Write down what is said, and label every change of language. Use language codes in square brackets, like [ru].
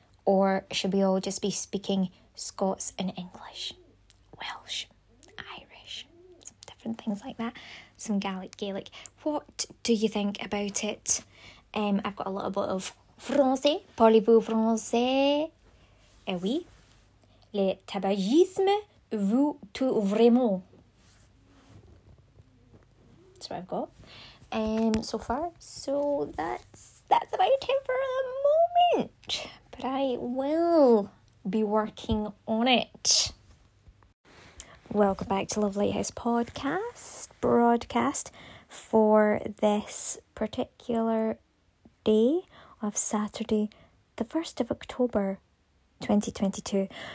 [en] Or should we all just be speaking Scots and English? Welsh, Irish, some different things like that. Some Gaelic. What do you think about it? I've got a little bit of français. [fr] Parlez-vous français? Eh oui. Le tabagisme vous tue vraiment. [en] That's what I've got. So far. So that's about it for the moment. But I will be working on it. Welcome back to Love Lighthouse podcast, broadcast for this particular day of Saturday, the 1st of October, 2022.